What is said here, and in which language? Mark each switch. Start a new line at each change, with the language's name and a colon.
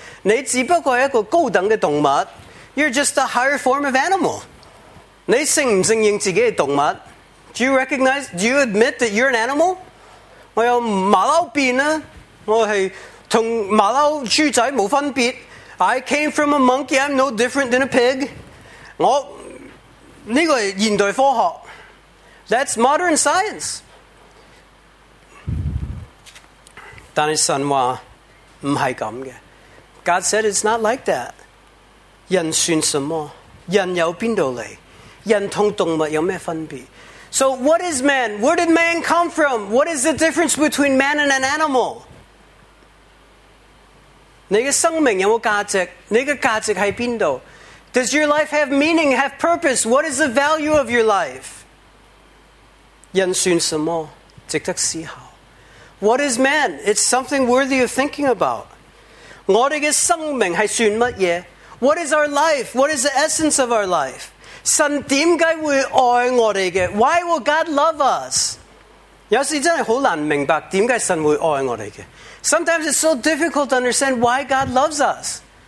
Chinese: 你只不過是一個高等的動物.
English: You're just a higher form of animal.
Chinese: 你承不承認自己是動物?
English: Do you admit that you're an animal?
Chinese: 我有猴子變, 我是跟猴子豬仔沒分別.
English: I came from a monkey, I'm no different than a pig.
Chinese: 這個是現代科學.
English: That's modern science.
Chinese: 但是神說不是這樣的.
English: God said it's not like that.
Chinese: 人算什麼?人由哪裡來?人和動物有什麼分別?
English: So what is man? Where did man come from? What is the difference between man and an animal?
Chinese: 你的生命有沒有價值?你的價值在哪裡?
English: Does your life have meaning, have purpose? What is the value of your life?
Chinese: 人算什麼?值得思考.
English: What is man? It's something worthy of thinking about.
Chinese: 我們的生命是算什麼?
English: What is our life? What is the essence of our life?
Chinese: 神為什麼會愛我們?
English: Why will God love us?
Chinese: 有時真的很難明白為什麼神會愛我們?
English: Sometimes it's so difficult to understand why God loves us.